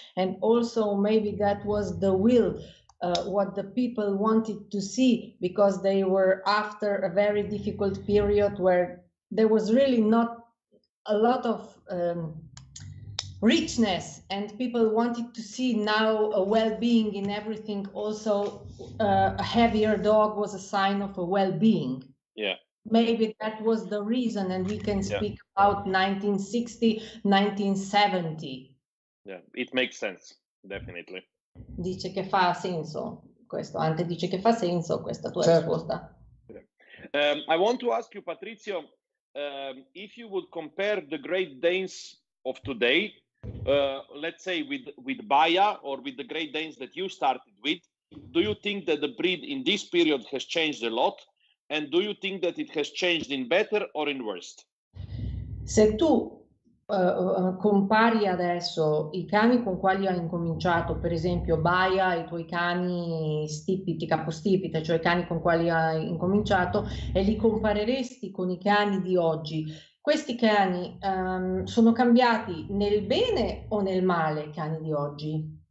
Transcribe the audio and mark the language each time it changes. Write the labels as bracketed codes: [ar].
[en] And also maybe that was the will. What the people wanted to see, because they were after a very difficult period where there was really not a lot of richness, and people wanted to see now a well-being in everything. Also, a heavier dog was a sign of a well-being. Yeah. Maybe that was the reason, and we can speak about 1960, 1970. Yeah, it makes sense, definitely. [it] Dice che fa senso questo, anche dice che fa senso questa tua risposta. [en] I want to ask you, Patrizio, if you would compare the Great Danes of today, let's say with Baia, or with the Great Danes that you started with, do you think that the breed in this period has changed a lot, and do you think that it has changed in better or in worse? [it] Se tu compari adesso i cani con quali hai incominciato, per esempio Baia, i tuoi cani stipiti, capostipite, cioè i cani con quali hai incominciato, e li compareresti con i cani di oggi, questi cani sono cambiati nel bene o nel male, i cani di oggi?